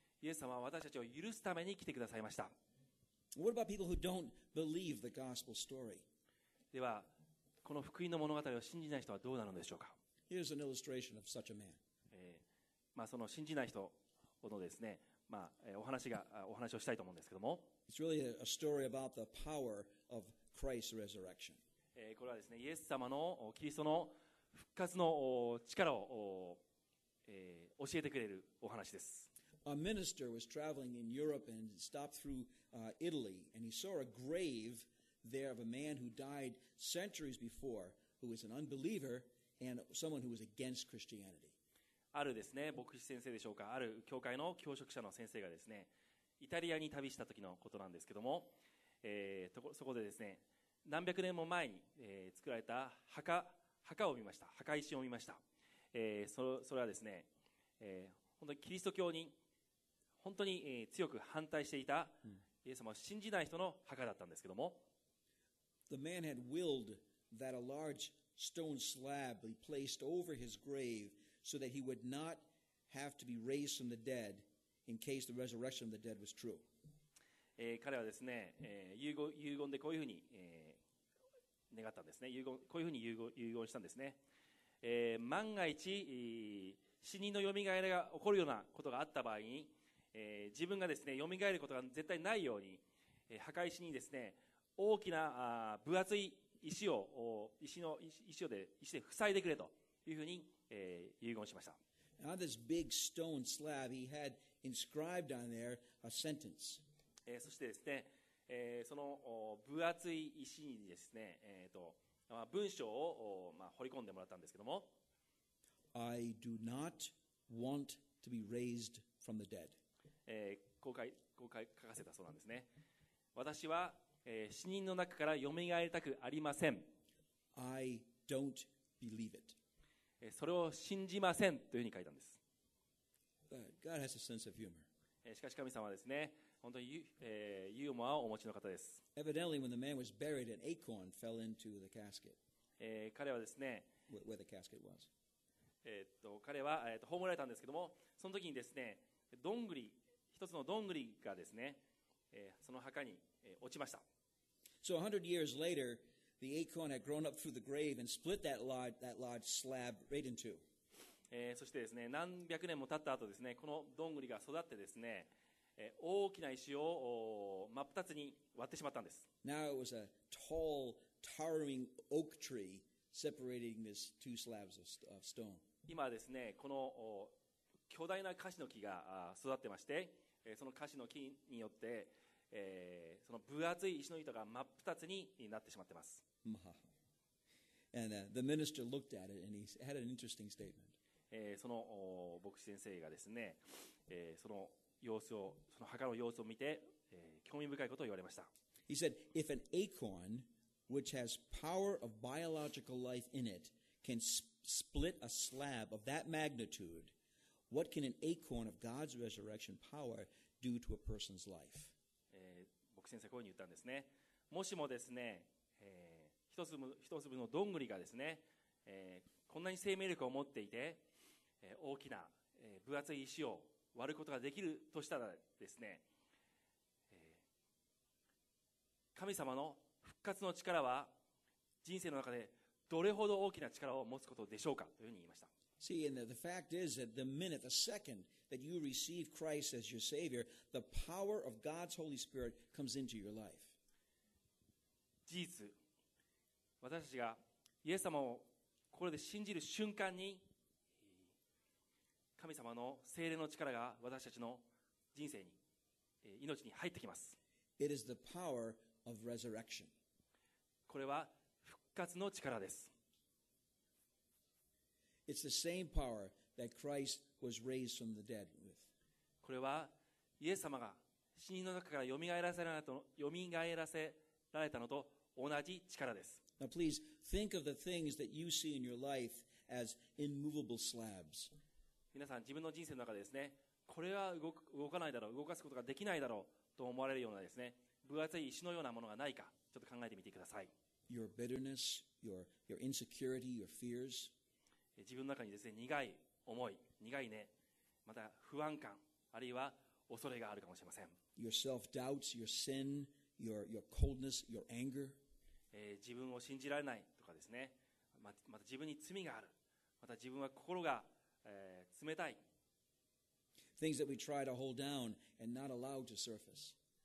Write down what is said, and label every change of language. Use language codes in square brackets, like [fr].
[ja] イエス様は私たちを許すために来てくださいました。 [en] What about people who don't believe the gospel story? [ja] では、この福音の物語を信じない人はどうなるのでしょうか。 [en] Here's an illustration of such a man. [ja] その信じない人のですね、お話をしたいと思うんですけども。 [en] It's really a story about the power of Christ's resurrection. [ja] これはですね、イエス様のキリストの復活の力を教えてくれるお話です。 [en] A minister was traveling in Europe and stopped through Italy, and he saw a grave. There of a man who died centuries before, who was an unbeliever and someone who was against Christianity. [ja] あるですね、牧師先生でしょうか、ある教会の教職者の先生がですね、イタリアに旅した時のことなんですけども、そこでですね、何百年も前に、作られた墓石を見ました。それはですね、本当にキリスト教に本当に、強く反対していたイエス様を信じない人の墓だったんですけども。 [en] The man had willed that a large stone slab be placed over his grave so that he would not have to be raised from the dead in case the resurrection of the dead was true. [ja] 彼はですね、遺言でこういうふうに、願ったんですね。こういうふうに遺言したんですね。万が一、死人のよみがえりが起こるようなことがあった場合に、自分がですね、よみがえることが絶対ないように、墓石にですね、大きな分厚い石で塞いでくれというふうに、遺言しました。 [en] On this big stone slab, he had inscribed on there a sentence. [ja] そしてですね、その分厚い石にですね、文章を、彫り込んでもらったんですけども、 [en] I do not want to be raised from the dead. [ja] こう書かせたそうなんですね。私は死人の中からよみがえりたくありません。 [en] I don't believe it. [ja] それを信じませんというふうに書いたんです。 [en] God has a sense of humor. [ja] しかし神様はですね、本当にユーモアをお持ちの方です。 [en] Evidently, when the man was buried, an acorn fell into the casket. [ja] 彼はですね、 [en] where the casket was. [ja] 彼は葬られたんですけども、その時にですね、どんぐり、一つのどんぐりがですね、その墓に落ちました。 [en] So 100 years later, the acorn had grown up through the grave and split that large slab right in two. [ja] そしてですね、何百年も経った後ですね、このどんぐりが育ってですね、大きな石を真っ二つに割ってしまったんです。 [en] Now it was a tall, towering oak tree separating these two slabs of stone. [ja] 今ですね、この巨大なカシの木が育ってまして、そのカシの木によって、その分厚い石の板が真っ二つになってしまってます。 [en] And the minister looked at it and he had an interesting statement. [ja] その牧師先生がですね、その様子を、その墓の様子を見て、興味深いことを言われました。 [en] He said, if an acorn which has power of biological life in it can split a slab of that magnitude, what can an acorn of God's resurrection power do to a person's life? [ja] 牧師先生はこういうふうに言ったんですね。もしもですね、一粒のどんぐりがですね、こんなに生命力を持っていて、大きな、分厚い石を割ることができるとしたらですね、神様の復活の力は人生の中でどれほど大きな力を持つことでしょうかというふうに言いました。 [en] See, and the fact is that the minute, the second that you receive Christ as your Savior, the power of God's Holy Spirit comes into your life. [ja] 事実、私たちがイエス様をこれで信じる瞬間に、神様の聖霊の力が私たちの人生に、命に入ってきます。 [en] It is the power of resurrection. [ja] これは復活の力です。 [en] It's the same power that Christ was raised from the dead with. [ja] これはイエス様が死人の中からよみがえらせられたのと同じ力です。 [en] Now please think of the things that you see in your life as immovable slabs. [ja] 皆さん自分の人生の中でですね、これは動かないだろう、動かすことができないだろうと思われるようなですね、分厚い石のようなものがないか、ちょっと考えてみてください。 [en] Your bitterness, your insecurity, your fears. [ja] 自分の中にですね、苦い思い、苦いね、また不安感、あるいは恐れがあるかもしれません。 [en] Your self-doubts, your sin, your coldness, your anger. [ja] 自分を信じられないとかですね、また自分に罪がある、また自分は心が、冷たい。 [en] Things that we try to hold down and not allow to surface.